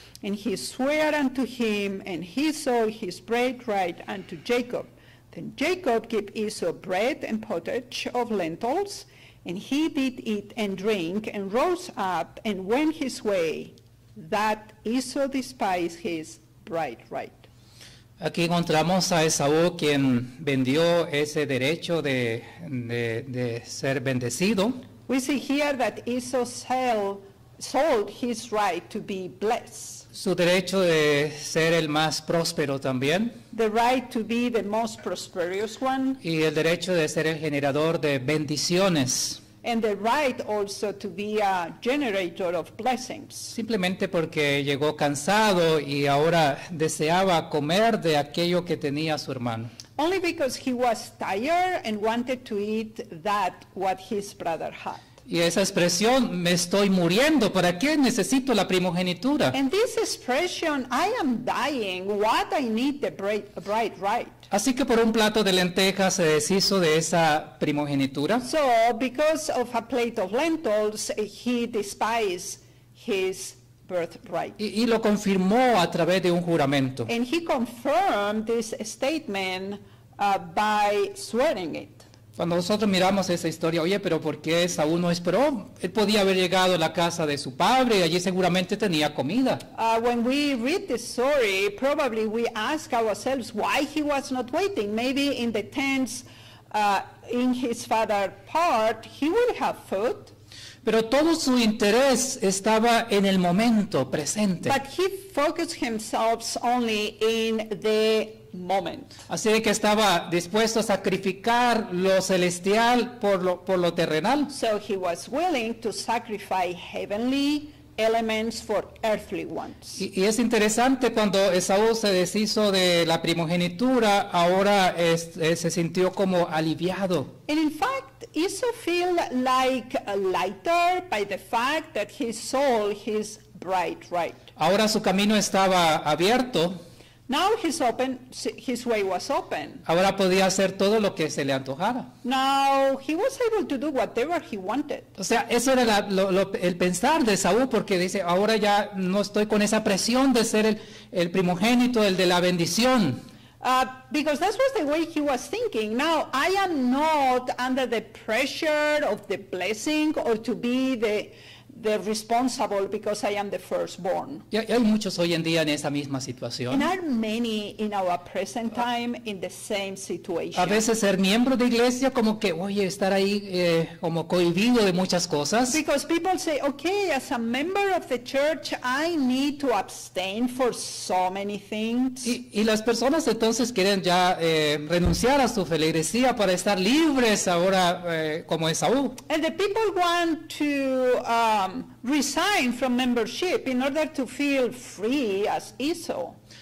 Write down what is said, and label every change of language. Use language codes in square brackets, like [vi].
[en] And he sware unto him, and he sold his birthright unto Jacob. Then Jacob gave Esau bread and pottage of lentils. And he did eat and drink, and rose up and went his way. That Esau despised his birthright. [es] Aquí encontramos a Esaú, quien vendió ese derecho de ser bendecido. [en] We see here that Esau sold his right to be blessed. [es] Su derecho de ser el más próspero también. [en] The right to be the most prosperous one. [es] Y el derecho de ser el generador de bendiciones. [en] And the right also to be a generator of blessings. [es] Simplemente porque llegó cansado y ahora deseaba comer de aquello que tenía su hermano. [en] Only because he was tired and wanted to eat that what his brother had. [es] Y esa expresión, me estoy muriendo, ¿para qué necesito la primogenitura? [en] And this expression, I am dying, what I need the bright right. [es] Así que por un plato de lentejas se deshizo de esa primogenitura. [en] So, because of a plate of lentils, he despised his birthright. [es] Y lo confirmó a través de un juramento. [en] And he confirmed this statement by swearing it. [es] Cuando nosotros miramos esa historia, oye, pero ¿por qué Saúl no esperó? Él podía haber llegado a la casa de su padre y allí seguramente tenía comida. [en] When we read this story, probably we ask ourselves why he was not waiting. Maybe in the tents, in his father's part, he would have food. [es] Pero todo su interés estaba en el momento presente. [en] But he focused himself only in the moment. [es] Así que estaba dispuesto a sacrificar lo celestial por lo terrenal. [en] So he was willing to sacrifice heavenly elements for earthly ones. [es] Y es interesante, cuando Esaú se deshizo de la primogenitura, ahora se sintió como aliviado. [en] And in fact, Esau feel like lighter by the fact that he sold his birthright. [es] Ahora su camino estaba abierto. [en] Now his way was open. [es] Ahora podía hacer todo lo que se le antojara. [en] Now he was able to do whatever he wanted. [es] O sea, eso era el pensar de Saúl, porque dice, ahora ya no estoy con esa presión de ser el primogénito, el de la bendición. [en] Because that was the way he was thinking. Now I am not under the pressure of the blessing or to be the responsible because I am the firstborn. [es] Y hay muchos hoy en día en esa misma situación. [en] And are many in our present time in the same situation. [es] A veces ser miembro de iglesia como que, oye, estar ahí como cohibido de muchas cosas. [en] Because people say, okay, as a member of the church, I need to abstain for so many things. [es] Y las personas entonces quieren ya renunciar a su feligresía para estar libres ahora como Esaú. [en] And the people want to resign from membership in order to feel free as Esau.